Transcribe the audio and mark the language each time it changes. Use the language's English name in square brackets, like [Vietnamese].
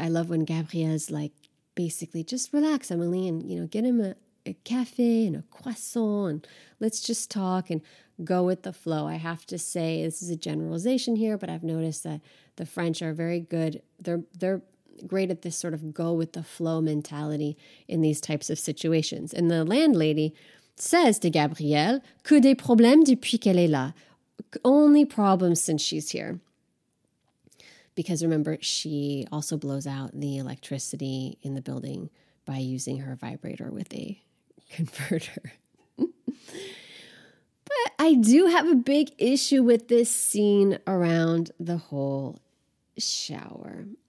[English] I love when Gabrielle's like, basically just relax, Emily, and, you know, get him a cafe and a croissant and let's just talk and go with the flow. I have to say, this is a generalization here, but I've noticed that the French are very good. They're great at this sort of go with the flow mentality in these types of situations. And the landlady, says to [French] Gabrielle, que des problèmes depuis qu'elle est là. [English] Only problems since she's here. Because remember, she also blows out the electricity in the building by using her vibrator with a converter. But I do have a big issue with this scene around the whole shower.